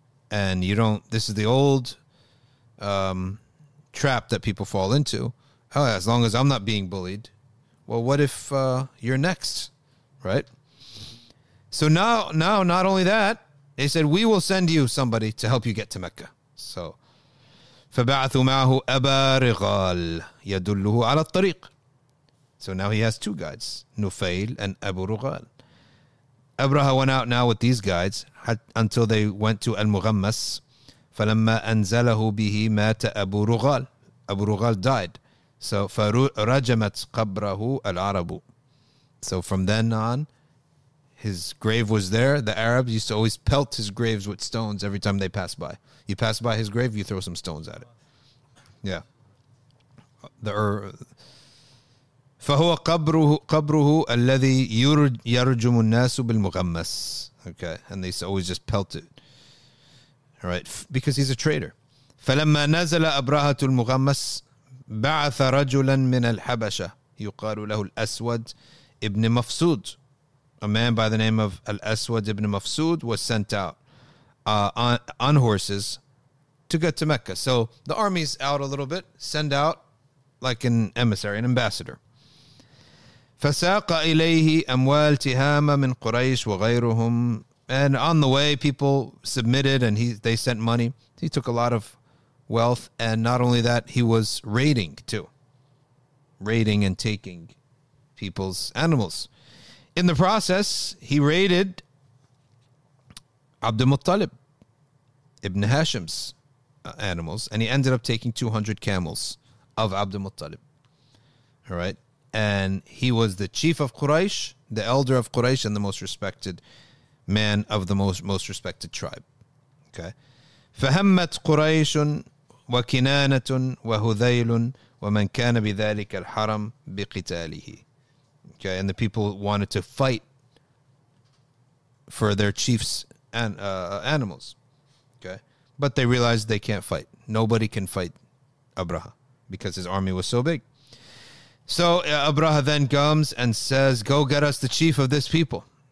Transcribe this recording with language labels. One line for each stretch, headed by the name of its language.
English: And you don't, this is the old trap that people fall into. Oh, as long as I'm not being bullied, well, what if you're next, right? So now, not only that, they said, we will send you somebody to help you get to Mecca. So,
Arabic: فَبَعَثُوا مَعَهُ أَبَارِغَالْ يَدُلُّهُ عَلَى الطَّرِيقِ.
English: So now he has two guides, Nufail and Abu Rughal. Abraha went out now with these guides until they went to Al-Mughammas.
Arabic: فَلَمَّا أَنْزَلَهُ بِهِ مَاتَ أَبُو رُغَالِ.
English: Abu Rughal died. So
Arabic: فَرَجَمَتْ قَبْرَهُ الْعَرَبُ.
English: So from then on, his grave was there. The Arabs used to always pelt his graves with stones every time they passed by. You pass by his grave, you throw some stones at it. Yeah.
Arabic: فَهُوَ قَبْرُهُ الَّذِي يَرْجُمُ النَّاسُ بِالْمُغَمَّسِ.
English: Okay. And they used to always just pelt it. Right, because he's a traitor.
Arabic: فلما نزل أبراهة المغمس بعث رجلا من الحبشة يقال له الأسود ابن مفسود.
English: A man by the name of الأسود ابن مفسود was sent out on horses to get to Mecca. So the army's out a little bit, send out like an emissary, an ambassador.
Arabic: فساق إليه أموال تهامة من قريش وغيرهم.
English: And on the way, people submitted and they sent money. He took a lot of wealth. And not only that, he was raiding too. Raiding and taking people's animals. In the process, he raided Abd al-Muttalib, Ibn Hashim's animals. And he ended up taking 200 camels of Abd al-Muttalib. All right. And he was the chief of Quraysh, the elder of Quraysh, and the most respected man of the most respected tribe. Okay.
Arabic: فهمت قريش وكنانة وهذيل ومن كان بذلك الحرم بقتاله.
English: Okay, and the people wanted to fight for their chiefs and animals. Okay. But they realized they can't fight. Nobody can fight Abraha because his army was so big. So Abraha then comes and says, go get us the chief of this people.